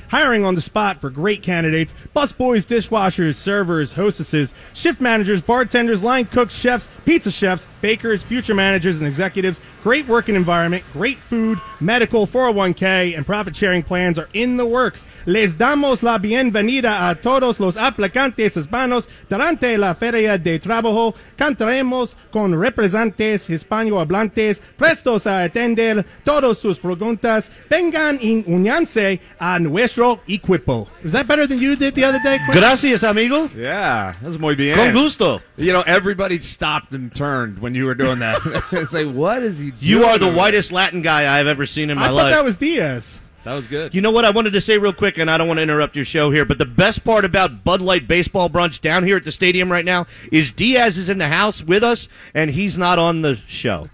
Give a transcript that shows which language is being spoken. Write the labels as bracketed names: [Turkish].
[English] Hiring on the spot for great candidates. Busboys, dishwashers, servers, hostesses, shift managers, bartenders, line cooks, chefs, pizza chefs, bakers, future managers, and executives. Great working environment, great food, medical, 401k, and profit-sharing plans are in the works. [Spanish] Les damos la bienvenida a todos los aplicantes hispanos durante la Feria de Trabajo. Contaremos con representantes hispanohablantes prestos a atender todas sus preguntas. Vengan y únanse a nuestro equipo. [English] Is that better than you did the other day, Quinn? [Spanish] Gracias, amigo. [English] Yeah, that's [Spanish] muy bien. Con gusto. [English] You know, everybody stopped and turned when you were doing that. It's like, what is he doing? You are the whitest Latin guy I've ever seen in my life. I thought that was Diaz. That was good. You know what I wanted to say real quick, and I don't want to interrupt your show here, but the best part about Bud Light Baseball Brunch down here at the stadium right now is Diaz is in the house with us, and he's not on the show.